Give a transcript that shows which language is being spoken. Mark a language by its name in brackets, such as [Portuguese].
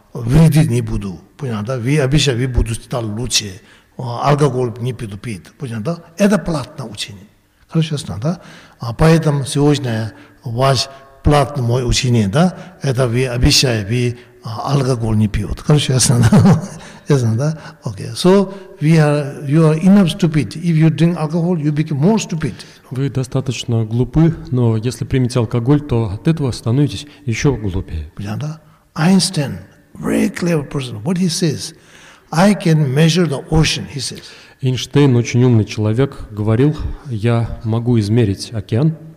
[Russian] Вредить не буду, понятно, да? Вы обещаете, вы буду стать лучше, алкоголь не притупит, понятно, да? Это платное учение. Хорошо, ясно, да? Поэтому сегодня ваш платный мой учение, да? Это вы обещаете, вы алкоголь не пьет. Хорошо, ясно, да? Ясно, да? Окей. [English] Okay. So we are, you are enough stupid. If you drink alcohol, you become more stupid. [Russian] Вы достаточно глупы, но если примете алкоголь, то от этого становитесь еще глупее. Понятно, да? [English] Einstein, very clever person. What he says? I can measure the ocean, he says. [Russian] Эйнштейн, очень умный человек, говорил, я могу измерить океан.